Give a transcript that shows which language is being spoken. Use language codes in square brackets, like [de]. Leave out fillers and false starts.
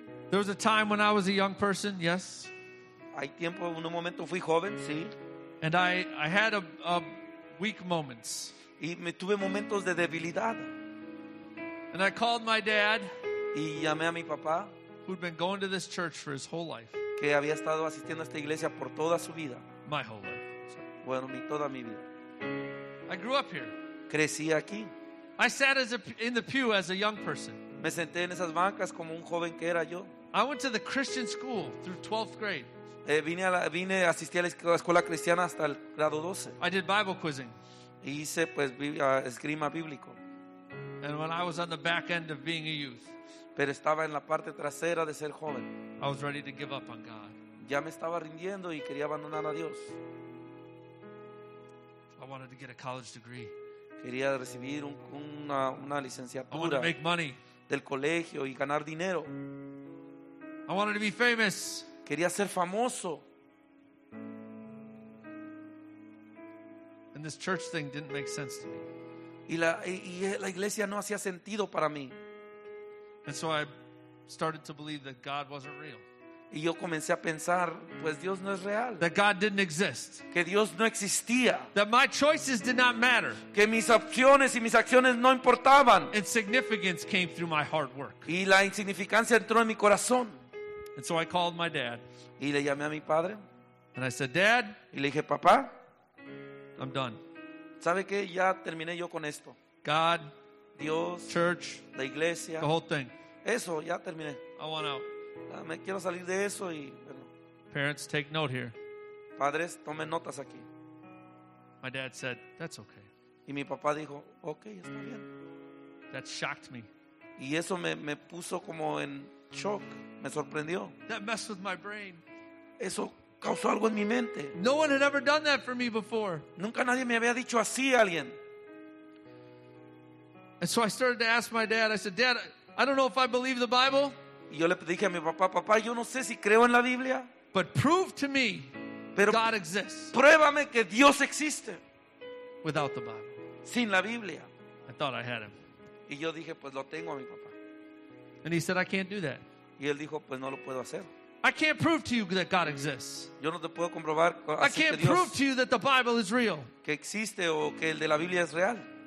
[en] There was a time when I was a young person, yes. [es] Hay tiempo, en un momento fui joven, sí. [en] And I had a weak moments. [es] Y me tuve momentos de debilidad. [en] And I called my dad. [es] Y llamé a mi papá, [en] who'd been going to this church for his whole life. [es] Que había estado asistiendo a esta iglesia por toda su vida. [en] My whole life. [es] Bueno, toda mi vida. [en] I grew up here. [es] Crecí aquí. [en] I sat in the pew as a young person. [es] Me senté en esas bancas como un joven que era yo. [en] I went to the Christian school through 12th grade. [es] Vine a asistir a la escuela cristiana hasta el grado 12. [en] I did Bible quizzing. [es] E hice pues esgrima bíblico. [en] And when I was on the back end of being a youth, [es] pero estaba en la parte trasera de ser joven, [en] I was ready to give up on God. [es] Ya me estaba rindiendo y quería abandonar a Dios. [en] I wanted to get a college degree. [es] Quería recibir una licenciatura. [en] I wanted to make money. [es] Del colegio y ganar dinero. [en] I wanted to be famous. [es] Quería ser famoso. [en] And this church thing didn't make sense to me. [es] Y la iglesia no hacía sentido para mí. [en] And so I started to believe that God wasn't real. [es] Y yo comencé a pensar, pues Dios no es real. [en] That God didn't exist. [es] Que Dios no existía. [en] That my choices did not matter. [es] Que mis opciones y mis acciones no importaban. [en] Insignificance came through my hard work. [es] Y la insignificancia entró en mi corazón. [en] And so I called my dad. [es] Y le llamé a mi padre. [en] And I said, Dad. [es] Y le dije, papá. [en] I'm done. [es] ¿Sabe qué? Ya terminé yo con esto. [en] God. [es] Dios. [en] Church. [es] La iglesia. [en] The whole thing. [es] Eso, ya terminé. [en] I want out. [es] Me quiero salir de eso y, [en] Parents, take note here. [es] Padres, tomen notas aquí. [en] My dad said, "That's okay." [es] Y mi papá dijo, "Okay, está bien." [en] That shocked me. [es] Y eso me puso como en shock. Me sorprendió. [en] That messed with my brain. [es] Eso causó algo en mi mente. [en] No one had ever done that for me before. [es] Nunca nadie me había dicho así a alguien. [en] And so I started to ask my dad. I said, "Dad, I don't know if I believe the Bible." [es] Y yo le dije a mi papá, papá, yo no sé si creo en la Biblia. [en] But prove to me [es] pero [en] God exists. [es] Pruébame que Dios existe. [en] Without the Bible. [es] Sin la Biblia. [en] I thought I had him. [es] Y yo dije, pues lo tengo a mi papá. [en] And he said, I can't do that. [es] Y él dijo, pues no lo puedo hacer. [en] I can't prove to you that God exists. [es] Yo no te puedo comprobar que Dios existe. [en] I can't prove to you that the Bible is real. [es] Que existe o que el de la Biblia es real.